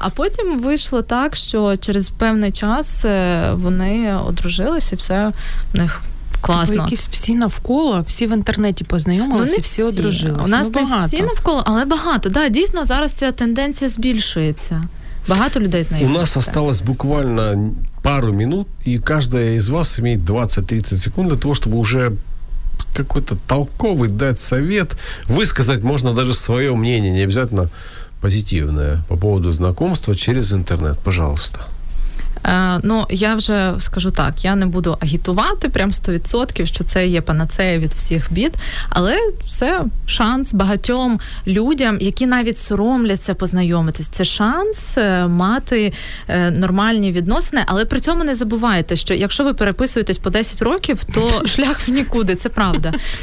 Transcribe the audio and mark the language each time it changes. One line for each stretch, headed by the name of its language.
Ukrainian: А потім вийшло так, що через певний час вони одружилися, і все в них класно. Тобто якісь всі навколо, всі в інтернеті познайомилися, ну, всі одружилися. У нас ну, не всі навколо, але багато. Да, дійсно, зараз ця тенденція збільшується. Багато людей знайомиться.
Russian: У нас осталось буквально пару минут,
Ukrainian: і кожна із вас має 20-30 секунд для того, щоб вже
Russian: какой-то толковый дать совет, высказать можно даже свое мнение, не обязательно позитивное, по поводу знакомства через интернет. Пожалуйста.
Ukrainian: Ну, я вже скажу так, я не буду агітувати прям 100%, що це є панацея від всіх бід, але це шанс багатьом людям, які навіть соромляться познайомитись. Це шанс мати нормальні відносини, але при цьому не забувайте, що якщо ви переписуєтесь по 10 років, то шлях в нікуди, це правда.